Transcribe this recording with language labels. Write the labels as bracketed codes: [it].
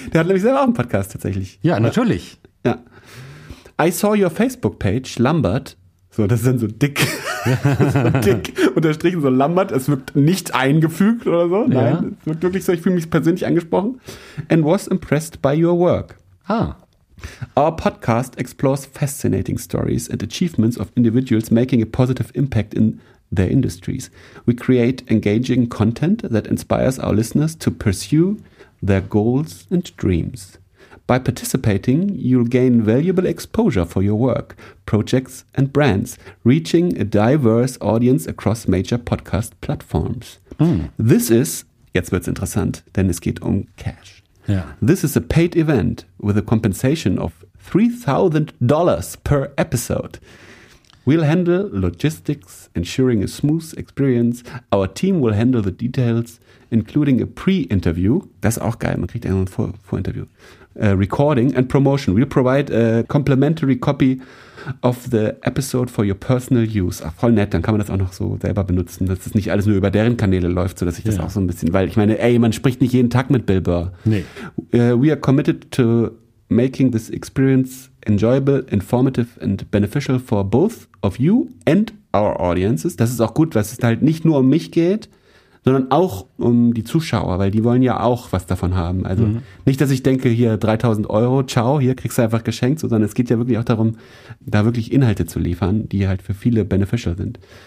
[de] Der hat nämlich selber auch einen Podcast tatsächlich. Ja, natürlich. Ja. [en] I saw your Facebook-Page, Lambert. [de] So, das ist dann so dick. dick unterstrichen, so Lambert. Es wirkt nicht eingefügt oder so. Nein, es wirkt wirklich so. Ich fühle mich persönlich angesprochen. [en] And was impressed by your work. Our podcast explores fascinating stories and achievements of individuals making a positive impact in their industries. We create engaging content that inspires our listeners to pursue their goals and dreams. By participating, you'll gain valuable exposure for your work, projects and brands, reaching a diverse audience across major podcast platforms. This is, [de] jetzt wird's interessant, denn es geht Cash. [en] This is a paid event with a compensation of $3,000 per episode. We'll handle logistics, ensuring a smooth experience. Our team will handle the details, including a pre-interview. [de] Das ist auch geil, man kriegt einen Vorinterview. [en] Recording and promotion. We'll provide a complimentary copy of the episode for your personal use. [de] Ach, voll nett, dann kann man das auch noch so selber benutzen, dass es nicht alles nur über deren Kanäle läuft, sodass ich das auch so ein bisschen, weil ich meine, ey, man spricht nicht jeden Tag mit Bill Burr. Nee. [en] We are committed to making this experience enjoyable, informative and beneficial for both of you and our audiences. [de] Das ist auch gut, weil es halt nicht nur um mich geht, sondern auch um die Zuschauer, weil die wollen ja auch was davon haben. Also nicht, dass ich denke, hier 3000 Euro, ciao, hier kriegst du einfach geschenkt, sondern es geht ja wirklich auch darum, da wirklich Inhalte zu liefern, die halt für viele beneficial sind.